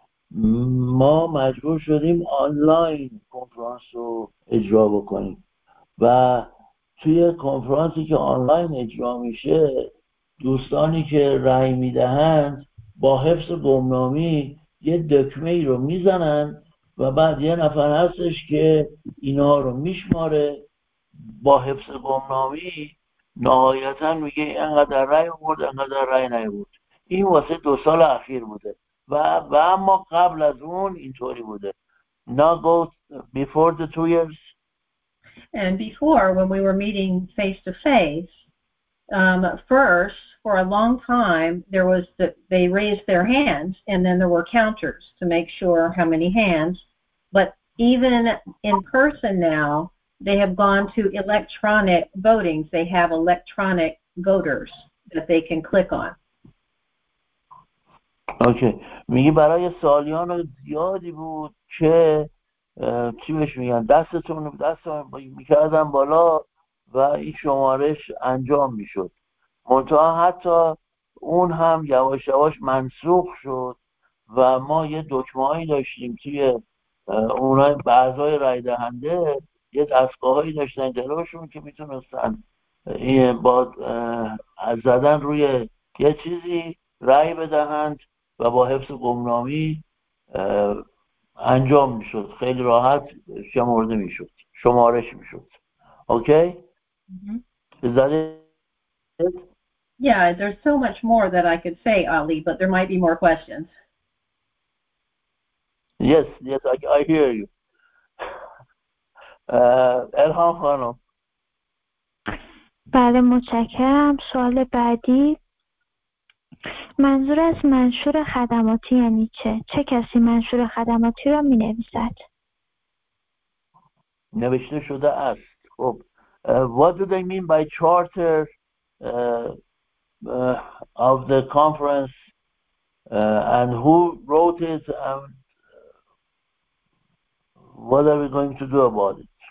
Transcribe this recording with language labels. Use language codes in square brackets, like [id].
[fa] ما مجبور شدیم آنلاین کنفرانس رو اجرا بکنیم، و توی کنفرانسی که آنلاین اجرا میشه دوستانی که رأی میدهند با حفظ گمنامی یه دکمه ای رو میزنند و بعد یه نفر هستش که اینا رو میشماره با حفظ گمنامی، نهایتا میگه اینقدر رأی آورد اینقدر رأی نیاورد. این واسه دو سال اخیر بوده و اما قبل از اون اینطوری بوده. [en] Now go before the 2 years and before when we were meeting face to face First, for a long time, there was they raised their hands, and then there were counters to make sure how many hands. But even in person now, they have gone to electronic voting. They have electronic voters that they can click on. Okay. [fa] میگه برای سالیان زیادی بود که چی بهش میگن دستتون دستتون میکردن بالا و این شمارش انجام میشد. منتها حتی اون هم یواش یواش منسوخ شد و ما یه دکمه هایی داشتیم توی اونهای بعضای رای دهنده یه دستگاه هایی داشتن جلوشون که میتونستن با از زدن روی یه چیزی رای بدهند و با حفظ گمنامی انجام میشد، خیلی راحت شمارده میشد، شمارش میشد. [en] Okay? Is that it? Yeah, there's so much more that I could say, Ali, but there might be more questions. Yes, yes, I hear you. Elham Khanom. [fa] بله متشکرم. سوال بعدی، منظور از منشور خدماتی یعنی چه؟ چه کسی منشور خدماتی را می نویسد؟ نوشته شده است. [en] خب what do they mean by charter of the conference and who wrote it and what are we going to do about it?